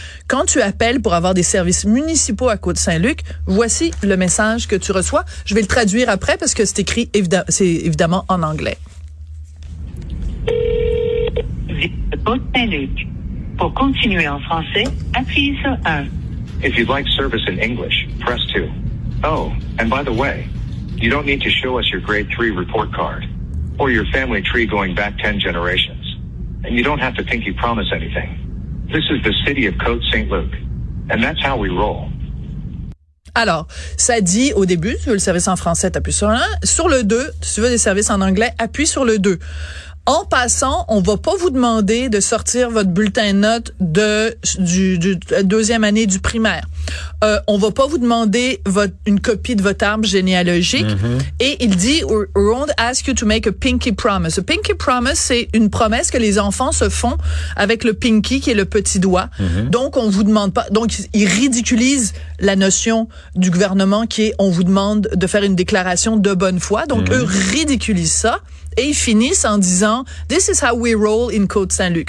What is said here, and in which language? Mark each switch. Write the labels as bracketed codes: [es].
[fr] Quand tu appelles pour avoir des services municipaux à Côte-Saint-Luc, voici le message que tu reçois. Je vais le traduire après parce que c'est écrit, c'est évidemment en anglais. Côte-Saint-Luc. Pour continuer en français, appuyez sur 1. [en] If you'd like service in English, press 2. Oh, and by the way, you don't need to show us your grade 3 report card or your family tree going back 10 generations. And you don't have to think you promise anything. This is the city of Côte Saint-Luc. And that's how we roll. [fr] Alors, ça dit au début, tu veux le service en français, t'appuies sur l'un. Sur le 2, tu veux des services en anglais, appuie sur le 2. En passant, on va pas vous demander de sortir votre bulletin de notes de deuxième année du primaire. On va pas vous demander une copie de votre arbre généalogique. Et il dit, [en] we won't ask you to make a pinky promise. [fr] A pinky promise, c'est une promesse que les enfants se font avec le pinky, qui est le petit doigt. Donc, on vous demande pas. Donc, il ridiculise la notion du gouvernement qui est, on vous demande de faire une déclaration de bonne foi. Donc, eux ridiculisent ça. Et ils finissent en disant, [en] this is how we roll in Côte-Saint-Luc.